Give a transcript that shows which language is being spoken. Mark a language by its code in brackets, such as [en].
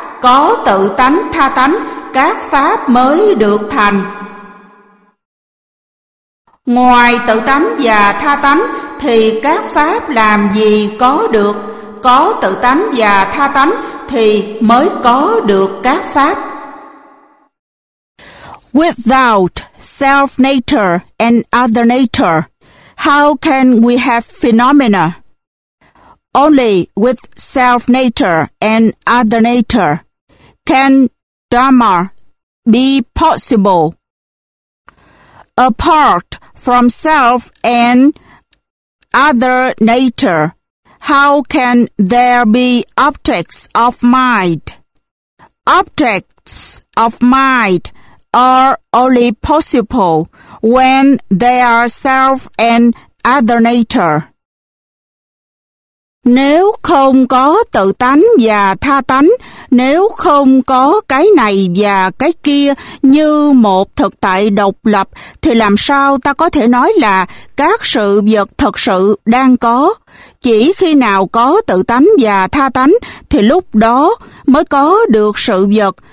[vi] Có tự tánh tha tánh, các pháp mới được thành. Ngoài tự tánh và tha tánh thì các pháp làm gì có được? Có tự tánh và tha tánh thì mới có được các pháp. [en] Without self nature and other nature, how can we have phenomena? Only with self nature and other nature can dharma be possible. Apart from self and other nature, how can there be objects of mind? Objects of mind are only possible when there are self and other nature. [vi] Nếu không có tự tánh và tha tánh, nếu không có cái này và cái kia như một thực tại độc lập, thì làm sao ta có thể nói là các sự vật thật sự đang có? Chỉ khi nào có tự tánh và tha tánh thì lúc đó mới có được sự vật.